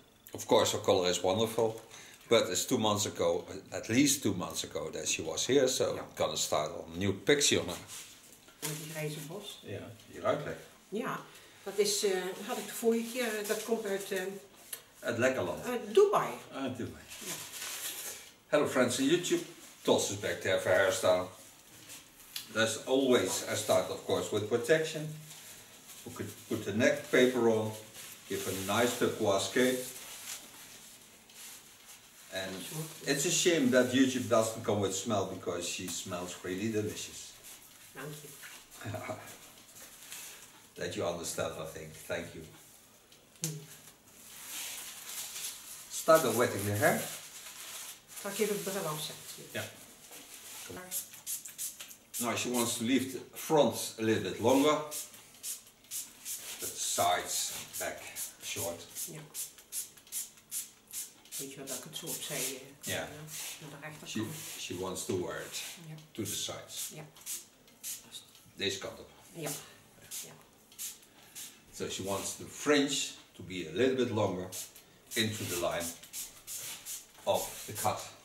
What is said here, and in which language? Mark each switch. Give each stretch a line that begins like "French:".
English: Of course, her color is wonderful, but it's 2 months ago, at least 2 months ago, that she was here, so I'm going to start a new PIXIE on her.
Dutch: Met die grijze bos. Ja, die ruikt lekker. Ja, dat is, had ik de vorige keer, dat komt uit... Uit Lekkerland. Dubai. Dubai. Ja.
English: Hello friends on YouTube, Tos is back there for hairstyle. There's always, I start of course with protection. We could put the neck paper on, give a nice turquoise cape. And it's a shame that YouTube doesn't come with smell because she smells really delicious. Thank you. That you understand, I think. Thank you. Start the wetting the hair.
Dutch: Zal ik even bril afzetten? Ja.
English: Now she wants to leave the front a little bit longer. But the sides and back short. Yeah.
Dutch: Weet je wel dat ik het zo opzij naar de rechterkant.
English: She wants to wear it to the sides. Yeah.
Dutch: Deze kant op.
English: Yeah. So she wants the fringe to be a little bit longer into the line of the cut.